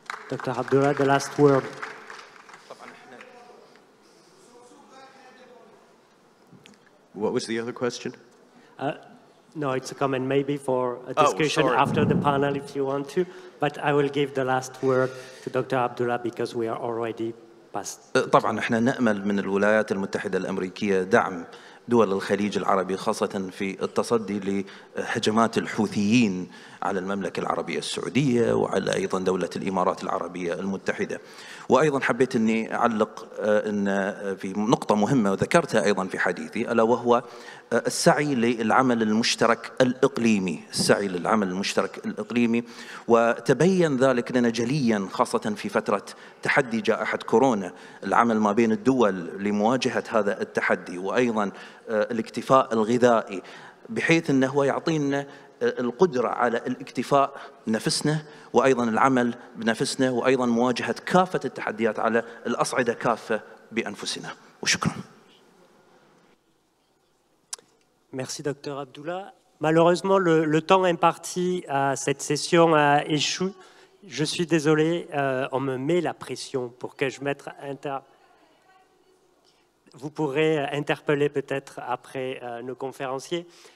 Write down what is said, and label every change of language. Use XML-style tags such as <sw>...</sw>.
<en>Dr. Abdullah, the last word. What was the other question? No, it's a comment maybe for a discussion after the panel if you want to, but I will give the last word to Dr. Abdullah because we are already past.</en> <ar>طبعا احنا نأمل من الولايات المتحدة الأمريكية دعم دول الخليج العربي خاصة في التصدي لهجمات الحوثيين على المملكة العربية السعودية وعلى أيضا دولة الإمارات العربية المتحدة وأيضا حبيت أني أعلق أن في نقطة مهمة وذكرتها أيضا في حديثي ألا وهو السعي للعمل المشترك الإقليمي السعي للعمل المشترك الإقليمي وتبين ذلك لنا جليا خاصة في فترة تحدي جائحة كورونا العمل ما بين الدول لمواجهة هذا التحدي وأيضا الاكتفاء الغذائي بحيث أنه يعطينا القدرة على الاكتفاء نفسنا وأيضا العمل بنفسنا وأيضا مواجهة كافة التحديات على الأصعدة كافة بأنفسنا وشكرا.</ar> <fr>Merci, Dr. Abdullah. Malheureusement, le temps imparti à cette session a échoué. Je suis désolé, on me met la pression pour que je mette Vous pourrez interpeller peut-être après nos conférenciers.</fr>